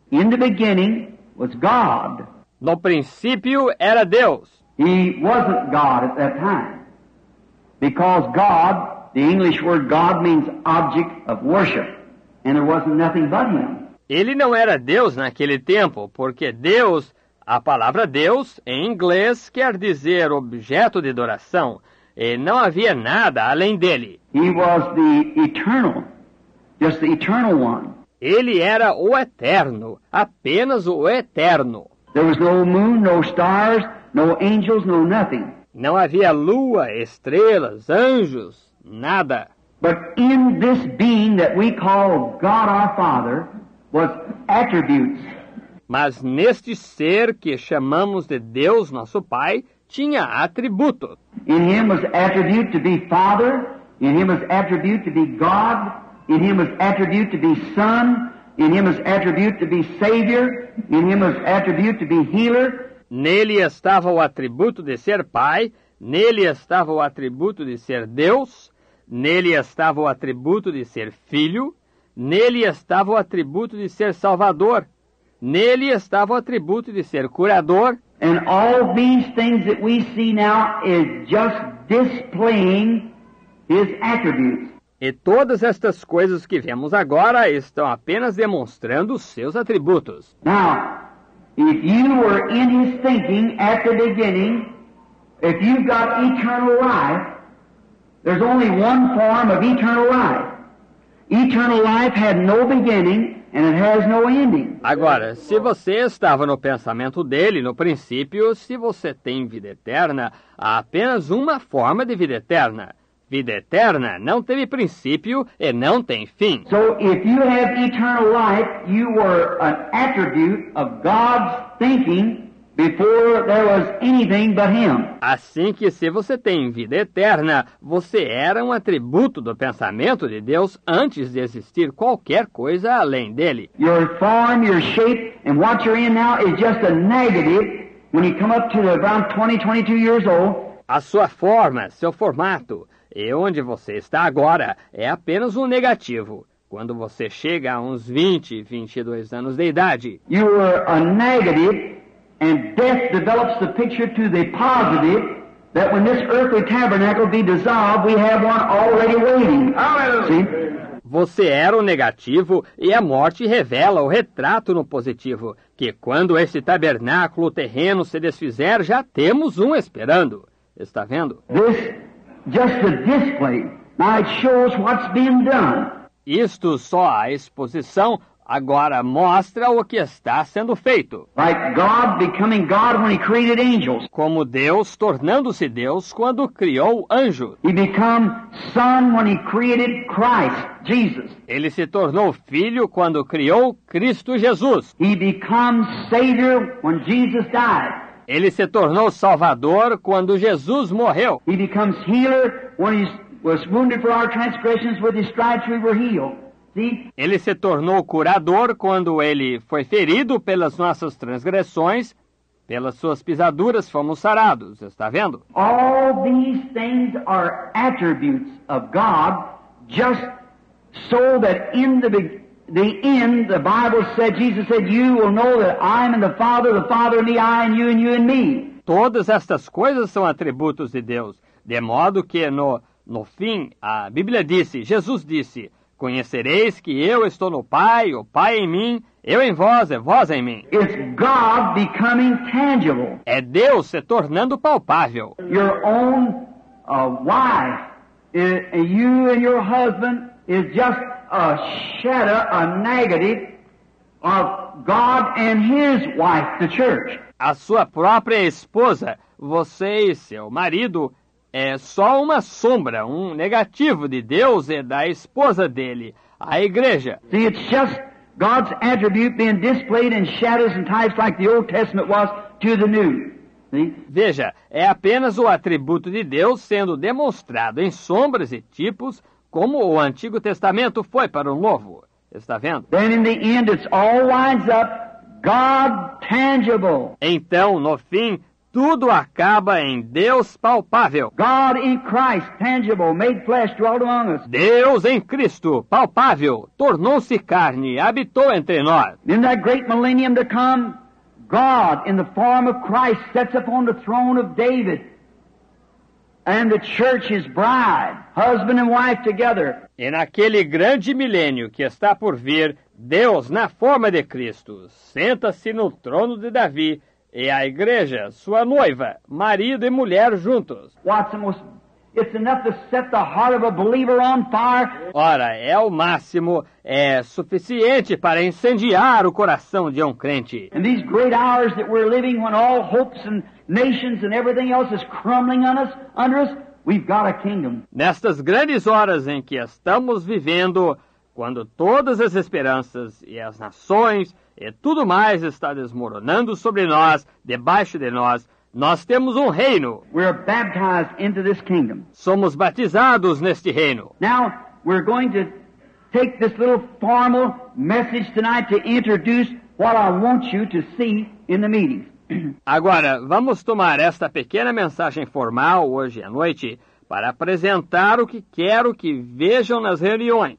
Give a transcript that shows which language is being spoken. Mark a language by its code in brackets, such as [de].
[en] In the beginning was God. [pt] No princípio era Deus. [en] He wasn't God at that time. Because God, the English word God means object of worship, and there wasn't nothing but him. [pt] Ele não era Deus naquele tempo, porque Deus, a palavra Deus, em inglês, quer dizer objeto de adoração, e não havia nada além dele. [en] He was the eternal, just the eternal one. [pt] Ele era o eterno, apenas o eterno. [en] There was no moon, no stars, no angels, no nothing. [pt] Não havia lua, estrelas, anjos, nada. [en] But in this being that we call God our Father was attributes. [pt] Mas neste ser que chamamos de Deus nosso Pai, tinha atributos. [en] In him was attribute to be Father, in him was attribute to be God, in him was attribute to be Son, in him was attribute to be Savior, in him was attribute to be Healer. [pt] Nele estava o atributo de ser Pai, nele estava o atributo de ser Deus, nele estava o atributo de ser Filho, nele estava o atributo de ser Salvador, nele estava o atributo de ser Curador. [en] And all these things that we see now is just displaying his attributes. [pt] E todas estas coisas que vemos agora estão apenas demonstrando seus atributos. [en] Now, if you were in his thinking at the beginning, if you've got eternal life, there's only one form of eternal life. Eternal life had no beginning and it has no ending. [pt] Agora, se você estava no pensamento dele no princípio, se você tem vida eterna, há apenas uma forma de vida eterna. Vida eterna não teve princípio e não tem fim. [en] So if you have eternal life, you were an attribute of God's thinking before there was anything but him. [pt] Assim que se você tem vida eterna, você era um atributo do pensamento de Deus antes de existir qualquer coisa além dele. [en] Your form, your shape, and what you're in now is just a negative when you come up to around 20, 22 years old. [pt] A sua forma, seu formato, e onde você está agora é apenas um negativo. Quando você chega a uns 20, 22 anos de idade, [en] you were a negative. And death develops the picture to the positive that when this earthly tabernacle be dissolved, we have one already waiting. See? [pt] Você era o negativo e a morte revela o retrato no positivo, que quando esse tabernáculo terreno se desfizer, já temos um esperando. Está vendo? [en] This, just the display. Now it shows what's being done. [pt] Isto só a exposição agora mostra o que está sendo feito. [en] Like God becoming God when he created angels. [pt] Como Deus tornando-se Deus quando criou anjos. [en] He became son when he created Christ, Jesus. [pt] Ele se tornou filho quando criou Cristo Jesus. [en] He became savior when Jesus died. [pt] Ele se tornou salvador quando Jesus morreu. [en] He becomes healer when he was wounded for our transgressions, with his stripes we were healed. [pt] Ele se tornou curador quando ele foi ferido pelas nossas transgressões, pelas suas pisaduras fomos sarados, está vendo? [en] All these things are attributes of God, just so that in the end, the Bible said, Jesus said, you will know that I am in the Father in me, I in you, and you in me. [pt] Todas estas coisas são atributos de Deus, de modo que no fim, a Bíblia disse, Jesus disse, conhecereis que eu estou no Pai, o Pai em mim, eu em vós, e vós em mim. [en] It's God becoming tangible. [pt] É Deus se tornando palpável. [en] Your own wife, you and your husband is just a shadow, a negative of God and his wife, the church. [pt] A sua própria esposa, você e seu marido, é só uma sombra, um negativo de Deus e da esposa dele, a igreja. [en] See, it's just God's attribute being displayed in shadows and types like the Old Testament was to the New. See? [pt] Veja, é apenas o atributo de Deus sendo demonstrado em sombras e tipos como o Antigo Testamento foi para o Novo. Está vendo? [en] Then in the end it's all winds up God tangible. [pt] Então, no fim, tudo acaba em Deus palpável. [en] God in Christ, tangible, made flesh, dwelt among us. [pt] Deus em Cristo, palpável, tornou-se carne, habitou entre nós. [en] In that great millennium to come, God in the form of Christ sets upon the throne of David and the church his bride, husband and wife together. [pt] E naquele grande milênio que está por vir, Deus na forma de Cristo senta-se no trono de Davi e a igreja, sua noiva, marido e mulher juntos. [en] It's enough to set the heart of a believer on fire. [pt] Ora, é o máximo, é suficiente para incendiar o coração de um crente. [en] In these great hours that we're living, when all hopes and nations and everything else is crumbling on us, under us, we've got a kingdom. [pt] Nestas grandes horas em que estamos vivendo, quando todas as esperanças e as nações e tudo mais está desmoronando sobre nós, debaixo de nós, nós temos um reino. [en] We're baptized into this kingdom. [pt] Somos batizados neste reino. [en] Now, we're going to take this little formal message tonight to introduce what I want you to see in the meeting. [pt] Agora, vamos tomar esta pequena mensagem formal hoje à noite para apresentar o que quero que vejam nas reuniões.